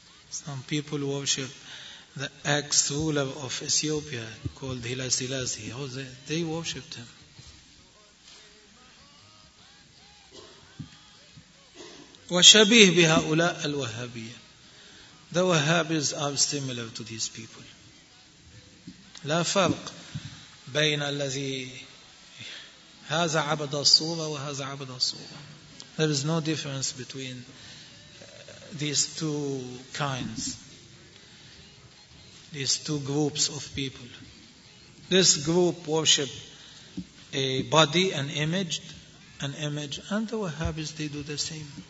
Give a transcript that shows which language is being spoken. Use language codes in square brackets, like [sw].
[en] Some people worship the ex-ruler of Ethiopia called Haile Selassie. They worshipped him. [ar] وَشَبِيهِ بِهَؤُلَاءَ الْوَهَّبِيَّةِ. [en] The Wahhabis are similar to these people. [ar] لا فرق بين الذي هذا عبد الصورة وهذا عبد الصورة. [en] There is no difference between these two kinds. These two groups of people. This group worship a body, an image, and the Wahhabis, they do the same.